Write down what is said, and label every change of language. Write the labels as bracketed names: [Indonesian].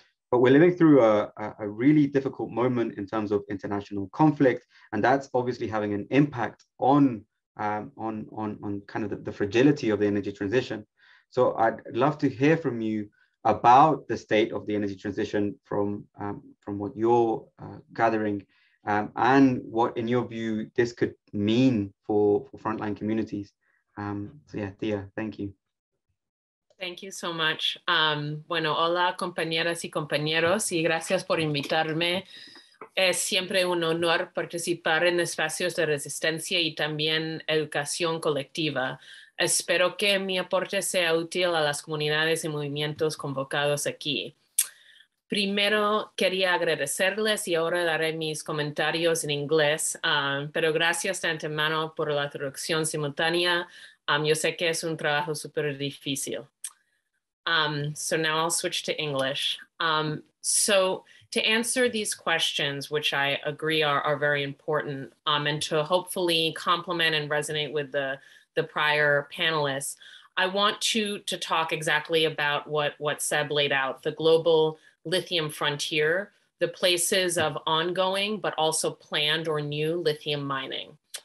[English] But we're living through a really difficult moment in terms of international conflict, and that's obviously having an impact on kind of the fragility of the energy transition. So I'd love to hear from you about the state of the energy transition from what you're gathering, and what, in your view, this could mean for frontline communities. So yeah, Thea, thank you. Thank you so much. [Spanish] Bueno, hola compañeras y compañeros, y gracias por invitarme. Es siempre un honor participar en espacios de resistencia y también educación colectiva. Espero que mi aporte sea útil a las comunidades y movimientos convocados aquí. Primero, quería agradecerles y ahora daré mis comentarios en inglés, pero gracias de antemano por la traducción simultánea. Yo sé que es un trabajo súper difícil. [English] So now I'll switch to English. So to answer these questions, which I agree are very important, and to hopefully complement and resonate with the prior panelists, I want to talk exactly about what Seb laid out, the global lithium frontier, the places of ongoing but also planned or new lithium mining.